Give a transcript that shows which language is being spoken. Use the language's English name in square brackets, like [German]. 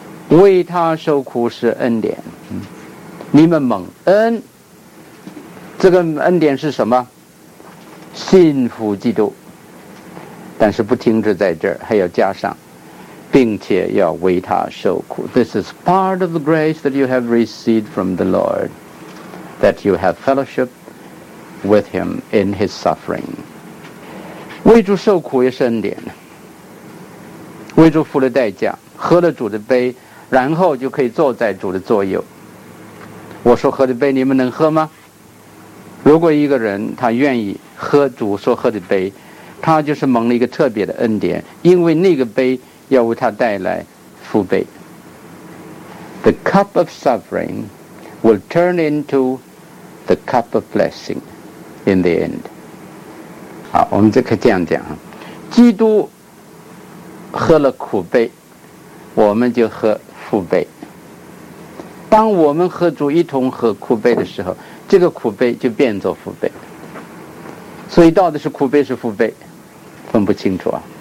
[Chinese] 为他受苦是恩典。你们蒙恩，这个恩典是什么？信服基督。但是不停止在这儿，还要加上，并且要为他受苦。 [English] This is part of the grace that you have received from the Lord. That you have fellowship with him in his suffering. [Chinese] 为主受苦也是恩典，为主付了代价，喝了主的杯，然后就可以坐在主的左右。我说喝的杯你们能喝吗？如果一个人他愿意喝主所喝的杯，他就是蒙了一个特别的恩典，因为那个杯要为他带来福杯。 [English] The cup of sufferingwill turn into the cup of blessing in the end. [Chinese] 好，我们就可以这样讲，基督喝了苦杯，我们就喝福杯。当我们和主一同喝苦杯的时候，这个苦杯就变作福杯。所以到底是苦杯是福杯，分不清楚啊。